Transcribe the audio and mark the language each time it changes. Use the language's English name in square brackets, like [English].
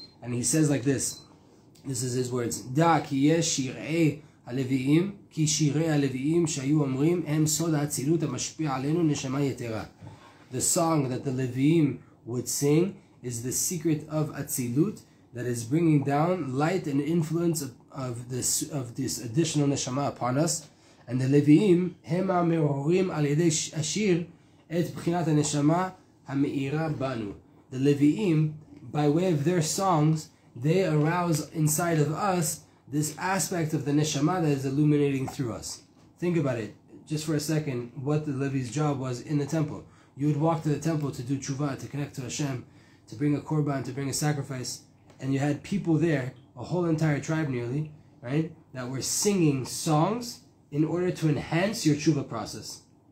[English] And he says like this, this is his words, [Hebrew] Da ki yesh shir'ei הלוויים, כי שירי הלוויים שהיו אומרים הם סוד האצילות המשפיע עלינו נשמה יתרה. [English] The song that the Levi'im would sing is the secret of Atzilut that is bringing down light and influence of this additional neshama upon us. And the Leviim, [Hebrew] הם המעוררים על ידי השיר את בחינת הנשמה המאירה בנו. [English] The Leviim, by way of their songs, they arouse inside of us this aspect of the neshama that is illuminating through us. Think about it, just for a second, what the Levi's job was in the temple. You would walk to the temple to do tshuva, to connect to Hashem, to bring a korban, to bring a sacrifice, and you had people there, a whole entire tribe nearly, right, that were singing songs in order to enhance your tshuva process.